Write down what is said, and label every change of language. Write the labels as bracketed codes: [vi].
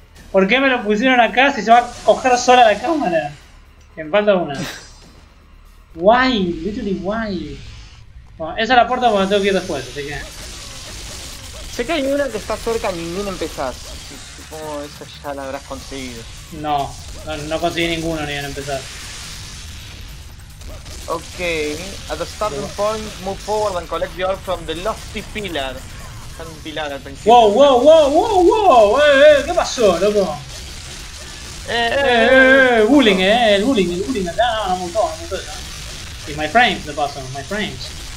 [es] ¿Por qué me lo pusieron acá si se va a coger sola la cámara? Me falta una. ¡Guay! [en] Literally, [es] guay. Bueno, esa es la puerta donde tengo que ir después, así que... Sé que hay una que está cerca y ninguna empezás. Oh, esa ya la habrás conseguido. No, no, no conseguí ninguno ni en empezar. [en] Ok, at the starting point, move forward and collect the orb from the lofty pillar. [es] Está en un pilar al principio. Wow, wow, wow, wow, wow, ¿qué pasó, loco? Bullying, el bullying, el bullying, acá, un montón, Y [en] my frames, [es] lo paso, my frames.